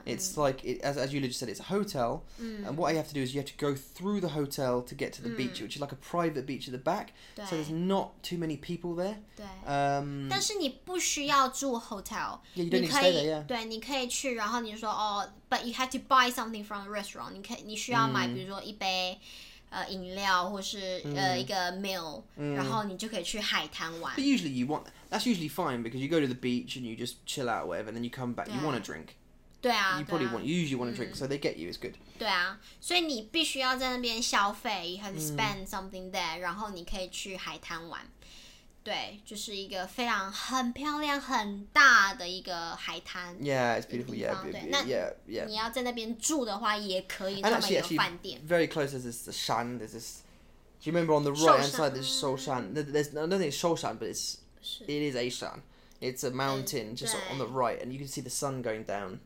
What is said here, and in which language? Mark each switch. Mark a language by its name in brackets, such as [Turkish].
[English] It's like, as Yulia just said, it's a hotel. And what you have to do is you have to go through the hotel to get to the beach, which is like a private beach at the back. So there's not too many people there. [Chinese] 但是你不需要住hotel. [English] Yeah, you don't need to stay there, yeah. [Chinese] 对，你可以去，然后你就说, [English] oh, but you have to buy something from a restaurant. [Chinese] 你需要买，比如说一杯 饮料或是一个 meal, 然后你就可以去海滩玩。 [English] But usually you want, that's usually fine because you go to the beach and you just chill out or whatever, and then you come back, you want a drink. [Chinese] 对啊, [English] you probably want, you usually want a drink, so they get you, it's good. [Chinese] 对啊, 所以你必须要在那边消费, [English] you have to spend something there, [Chinese] 然后你可以去海滩玩。对，就是一个非常很漂亮很大的一个海滩。 [English] Yeah, it's beautiful. Yeah, yeah. [Chinese] 你要在那边住的话也可以。 [English] And actually, very close is the Shan. There's this. Do you remember on the right hand side? There's Shou Shan. There's, I don't think it's Shou Shan, but it is a Shan. It's a mountain just on the right, and you can see the sun going down.